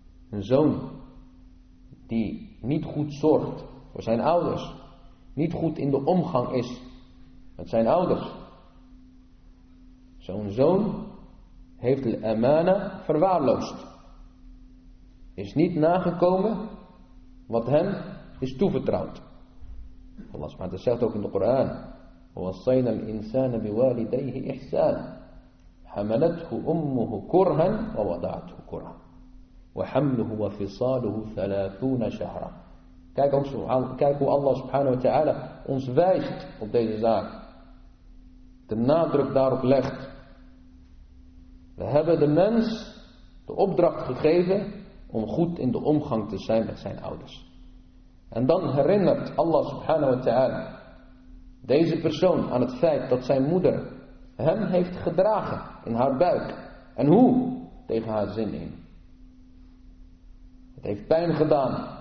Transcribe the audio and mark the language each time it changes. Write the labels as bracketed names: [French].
[Dutch] Een zoon die niet goed zorgt voor zijn ouders, niet goed in de omgang is met zijn ouders. Zo'n zoon heeft de emana verwaarloosd. Is niet nagekomen wat hem is toevertrouwd. Allah subhanahu wa ta'ala zegt ook in de Koran: [Arabic] وَوَصَّيْنَا الْإِنسَانَ بِوَالِدَيْهِ إِحْسَانًا حَمَلَتْهُ أُمُّهُ كُرْهًا وَوَضَعَتْهُ كُرْهًا وَحَمْلُهُ وَفِصَالُهُ 30 شَهْرًا. [Dutch] Kijk hoe Allah subhanahu wa ta'ala ons wijst op deze zaak. De nadruk daarop legt. We hebben de mens de opdracht gegeven om goed in de omgang te zijn met zijn ouders. En dan herinnert Allah subhanahu wa ta'ala deze persoon aan het feit dat zijn moeder hem heeft gedragen in haar buik. En hoe? Tegen haar zin in. Het heeft pijn gedaan.